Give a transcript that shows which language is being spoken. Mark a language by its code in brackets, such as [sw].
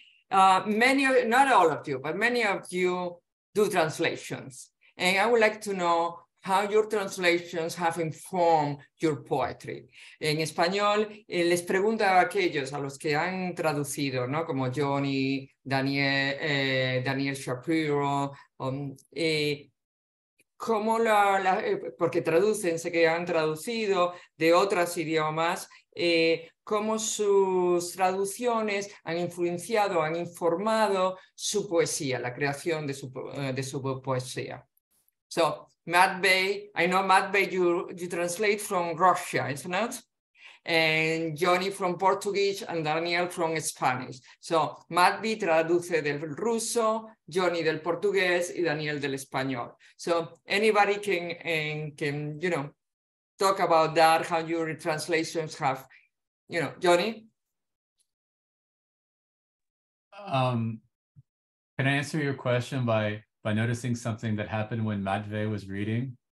[en] not all of you, but many of you do translations. And I would like to know how your translations have informed your poetry. [es] En español, les pregunto a aquellos a los que han traducido, ¿no? Como Johnny, Daniel Shapiro, ¿cómo porque traducen, sé que han traducido de otros idiomas, cómo sus traducciones han influenciado, han informado su poesía, la creación de su poesía? [en] So, Matvey, I know Matvey, you translate from Russia, isn't it? And Johnny from Portuguese and Daniel from Spanish. [es] So, Matvey traduce del ruso, Johnny del portugués y Daniel del español. [en] So, anybody can you know, talk about that, how your translations have, you know, Johnny? Can I answer your question by noticing something that happened when Matvey was reading?